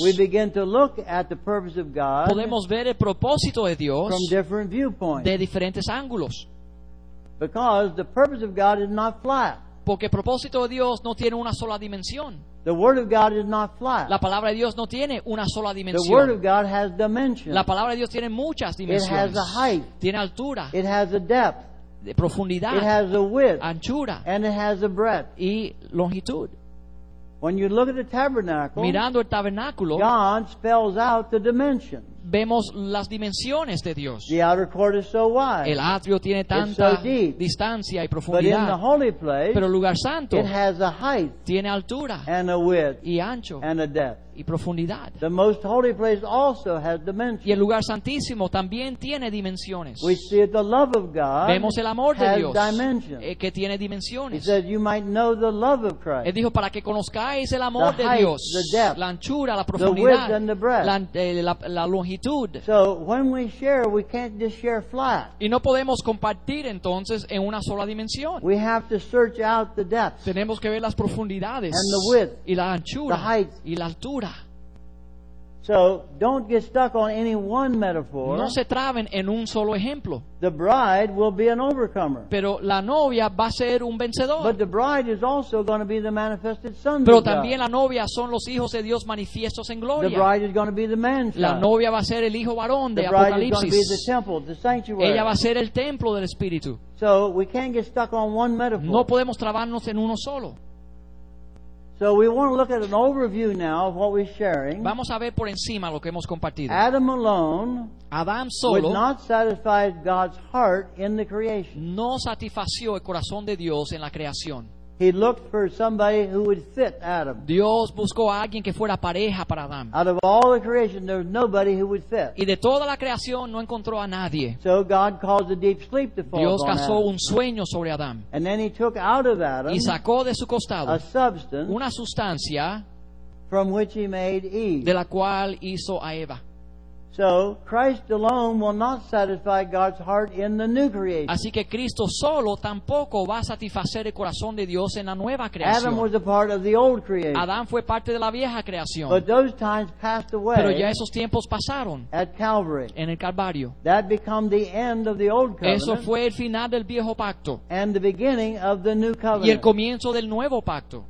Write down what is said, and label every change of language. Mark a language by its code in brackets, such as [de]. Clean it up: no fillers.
[en] we begin to look at the purpose of God, [es] podemos ver el propósito de Dios [en] from different viewpoints, [es] de diferentes ángulos, [en] because the purpose of God is not flat. [es] Porque el propósito de Dios no tiene una sola dimensión. [en] The word of God is not flat. [es] La palabra de Dios no tiene una sola dimensión. [en] The word of God has dimensions. [es] La palabra de Dios tiene muchas dimensiones. [en] It has a height. [es] Tiene altura. [en] It has a depth. [es] De profundidad. [en] It has a width. [es] Anchura. [en] And it has a breadth. [es] Y longitud. [en] When you look at the tabernacle, [es] mirando el tabernáculo, [en] God spells out the dimensions. [es] Vemos las dimensiones de Dios. [en] The outer court is so wide. [es] El atrio tiene tanta [en] so deep, [es] distancia y profundidad. [en] But in the holy place, [es] pero el lugar santo, [en] it has a height, [es] tiene altura, [en] and a width, [es] y ancho, [en] and a depth, [es] y profundidad. [en] The most holy place also has dimensions. [es] Y el lugar santísimo también tiene dimensiones. [en] We see the love of God. [es] Vemos el amor [en] has [es] de Dios [en] dimensions. [es] Que tiene dimensiones. [en] He said you might know the love of Christ. [es] Él dijo para que conozcáis el amor [en] the [es] de [en] height, [es] Dios, [en] the depth, [es] la anchura, la profundidad, [en] the width and the breadth. [es] La longitud. [en] So when we share, we can't just share flat. [es] Y no podemos compartir entonces en una sola dimensión. [en] We have to search out the depths. [es] Tenemos que ver las profundidades [en] and the width, [es] y la anchura, [en] the height, [es] y la altura. [en] So don't get stuck on any one metaphor. [es] No se traben en un solo ejemplo. [en] The bride will be an overcomer. [es] Pero la novia va a ser un vencedor. [en] But the bride is also going to be the manifested sons of God. [es] Pero también la novia son los hijos de Dios manifiestos en gloria. [en] The bride is going to be the man's. [es] La novia va a ser el hijo varón de Apocalipsis. [en] The bride is going to be the temple, the sanctuary. [es] Ella va a ser el templo del Espíritu. [en] So we can't get stuck on one metaphor. [es] No podemos trabarnos en uno solo. [en] So we want to look at an overview now of what we're sharing. [es] Vamos a ver por encima lo que hemos compartido. [en] Adam alone, [es] Adam solo, [en] would not satisfy God's heart in the creation. [es] No satisfació el corazón de Dios en la creación. [en] He looked for somebody who would fit Adam. [es] Dios buscó a alguien que fuera pareja para Adam. [en] Out of all the creation, there was nobody who would fit. [es] Y de toda la creación no encontró a nadie. [en] So God caused a deep sleep to fall [es] Dios [en] upon [es] causó [en] Adam. [es] Un sueño sobre Adam. [en] And then he took out of Adam [es] y sacó de su costado [en] a substance, [es] una sustancia [en] from which he made Eve. [es] De la cual hizo a Eva. [en] So Christ alone will not satisfy God's heart in the new creation. [es] Así que Cristo solo tampoco va a satisfacer el corazón de Dios en la nueva creación. [en] Adam was a part of the old creation. [es] Adán fue parte de la vieja creación. [en] But those times passed away. [es] Pero ya esos tiempos pasaron. [en] At Calvary. [es] En el Calvario. [en] That became the end of the old covenant. [es] Eso fue el final del viejo pacto. [en] And the beginning of the new covenant. [es] Y el comienzo del nuevo pacto.